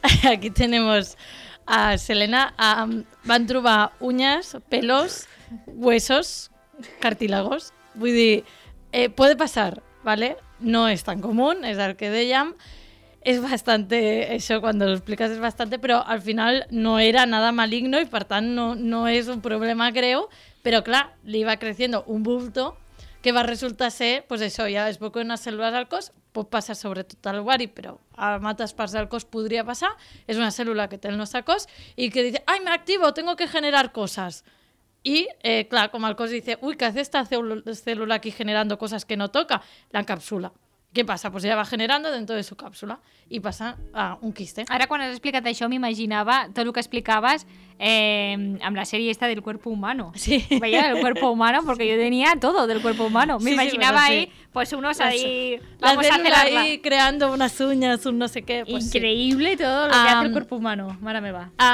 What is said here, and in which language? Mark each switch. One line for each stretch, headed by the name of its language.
Spanish: Aquí tenemos a Selena.
Catalan: Van trobar
Spanish: uñas, pelos, huesos, cartílagos.
Catalan: Vull dir,
Spanish: puede pasar, ¿vale? No es tan común, es el que dèiem.
Catalan: És bastant, això quan ho expliques és bastant, però al final
Spanish: no era nada maligno
Catalan: i per tant no és un problema greu, però clar, li va creciendo un bulto que va resultar ser, pues això, ja es veu que unes cèl·lules al cos pot passar sobretot a l'ovari, però a altres parts del cos podria passar, és una cèl·lula que té el nostre cos i que diu, ai, m'activo,
Spanish: tengo que generar
Catalan: coses. Y clar, com el cos dice, ui, què hace esta cèl·lula aquí generando coses que no toca, la encapsula.
Spanish: ¿Qué pasa? Pues ella va generando dentro de su cápsula y pasa a un quiste.
Catalan: Ara, quan has explicat això, m'imaginava tot el que explicaves amb la sèrie esta del cuerpo humano.
Spanish: Sí. Veia el cuerpo humano, porque yo tenía todo del cuerpo humano.
Catalan: M'imaginava
Spanish: ahí, pues unos ahí... La célula ahí creando unas uñas, un no sé qué. Pues increíble sí. Todo lo que hace el cuerpo humano,
Catalan: mare meva.